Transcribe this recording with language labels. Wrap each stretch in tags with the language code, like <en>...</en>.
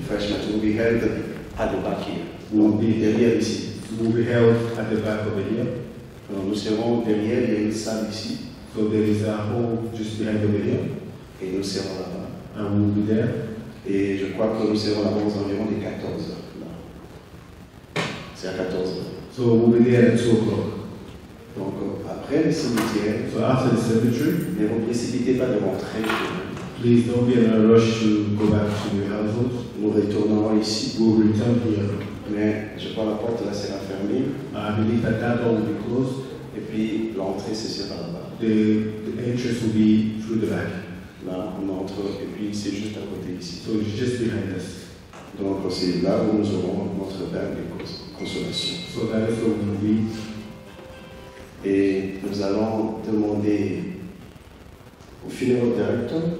<en>Refreshment will be held at the back here. Will be</en> <fr>derrière ici.</fr> <en>Will be held at the back over here.</en> <fr>Donc nous serons derrière, il y a une salle ici.</fr> <en>So there is a hall just behind over here.</en> <fr>Et nous serons là-bas.</fr> <en>And we'll be there.</en> <fr>Et je crois que nous serons là-bas aux environs des 14. C'est à 14.</fr> <en>So we'll be there at 2 o'clock.</en> <fr>Donc après le cimetière.</fr> <en>So after the cemetery.</en> <fr>Ne vous précipitez pas de rentrer.</fr> <en>Please don't be in a rush to go back to your house.</en> <fr>Nous retournerons ici.</fr> <en>We'll return here.</en> <fr>Mais je crois la porte là sera fermée.</fr> <en>I believe that that door will be closed.</en> <fr>Et puis l'entrée se sera là-bas.</fr> <en>The entrance will be through the back.</en> <fr>Là on entre et puis c'est juste à côté ici.</fr> <en>So it's just behind us.</en> <fr>Donc c'est là où nous aurons notre dernière de consolation.</fr> <en>So that is where we'll be.</en> <fr>Et nous allons demander au</fr> <en>funeral director.</en>